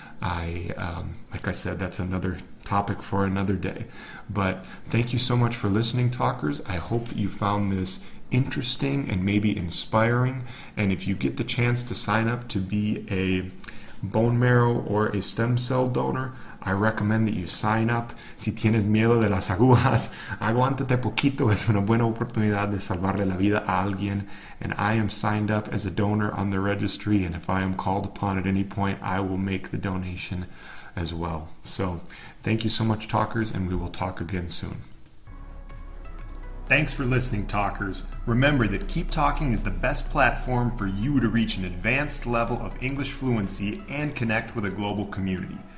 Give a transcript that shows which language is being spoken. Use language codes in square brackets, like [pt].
[en] Like I said, that's another topic for another day. But thank you so much for listening, talkers. I hope that you found this interesting and maybe inspiring. And if you get the chance to sign up to be a bone marrow or a stem cell donor, I recommend that you sign up. [es] Si tienes miedo de las agujas, aguántate poquito. Es una buena oportunidad de salvarle la vida a alguien. [en] And I am signed up as a donor on the registry. And if I am called upon at any point, I will make the donation as well. So thank you so much, talkers, and we will talk again soon. Thanks for listening, talkers. Remember that Keep Talking is the best platform for you to reach an advanced level of English fluency and connect with a global community.